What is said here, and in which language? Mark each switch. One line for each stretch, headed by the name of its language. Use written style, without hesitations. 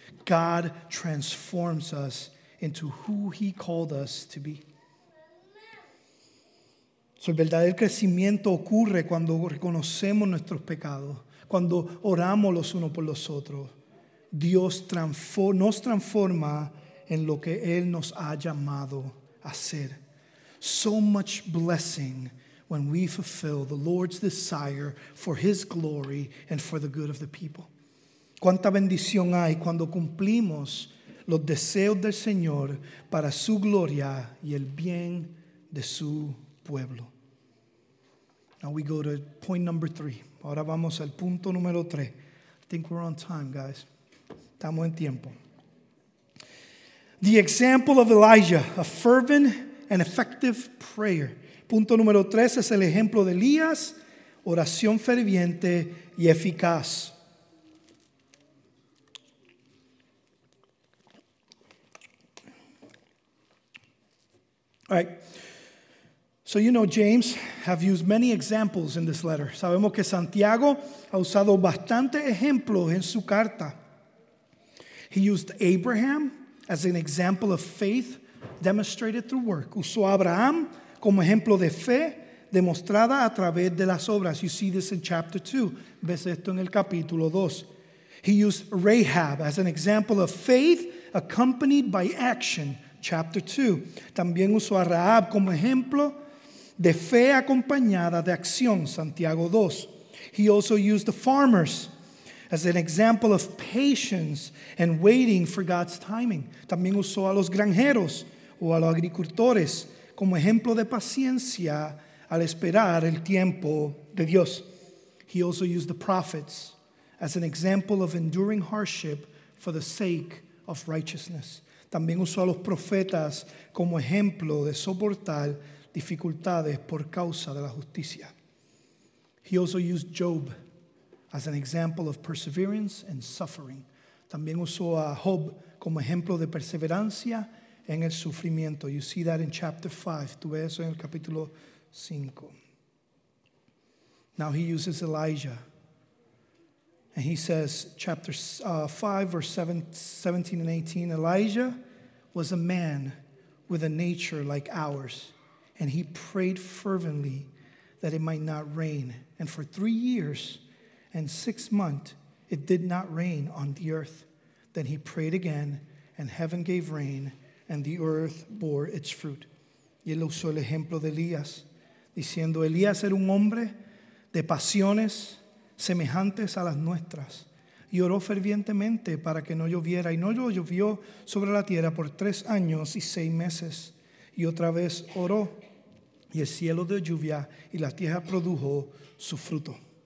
English: God transforms us into who he called us to be.
Spanish: So el verdadero crecimiento ocurre cuando reconocemos nuestros pecados, cuando oramos los unos por los otros. Dios nos transforma en lo que Él nos ha llamado a ser.
English: So much blessing when we fulfill the Lord's desire for His glory and for the good of the people.
Spanish: Cuánta bendición hay cuando cumplimos los deseos del Señor para su gloria y el bien de su pueblo.
English: Now we go to point number 3.
Spanish: Ahora vamos al punto número 3.
English: I think we're on time, guys.
Spanish: Estamos en tiempo.
English: The example of Elijah, a fervent and effective prayer.
Spanish: Punto número 3 es el ejemplo de Elías, oración ferviente y eficaz.
English: All right. So you know James have used many examples in this letter.
Spanish: Sabemos que Santiago ha usado bastante ejemplos en su carta.
English: He used Abraham as an example of faith demonstrated through work.
Spanish: Usó a Abraham como ejemplo de fe demostrada a través de las obras.
English: You see this in chapter 2.
Spanish: Ves esto en el capítulo 2.
English: He used Rahab as an example of faith accompanied by action. Chapter 2.
Spanish: También usó a Rahab como ejemplo de fe acompañada de acción. Santiago 2.
English: He also used the farmers as an example of patience and waiting for God's timing.
Spanish: También usó a los granjeros o a los agricultores como ejemplo de paciencia al esperar el tiempo de Dios.
English: He also used the prophets as an example of enduring hardship for the sake of righteousness.
Spanish: También usó a los profetas como ejemplo de soportar dificultades por causa de la justicia.
English: He also used Job as an example of perseverance and suffering.
Spanish: También usó a Job como ejemplo de perseverancia en el sufrimiento.
English: You see that in chapter 5.
Spanish: Tú ves eso en el capítulo 5.
English: Now he uses Elijah. And he says, chapter 5, verse 17 and 18, Elijah was a man with a nature like ours, and he prayed fervently that it might not rain. And for 3 years and 6 months, it did not rain on the earth. Then he prayed again, and heaven gave rain, and the earth bore its fruit.
Spanish: Y él usó el ejemplo de Elías, diciendo, Elías era un hombre de pasiones semejantes a las nuestras, y oró fervientemente para que no lloviera, y no llovió sobre la tierra por 3 años y 6 meses. Y otra vez oró, y el cielo dio lluvia, y la tierra produjo su fruto.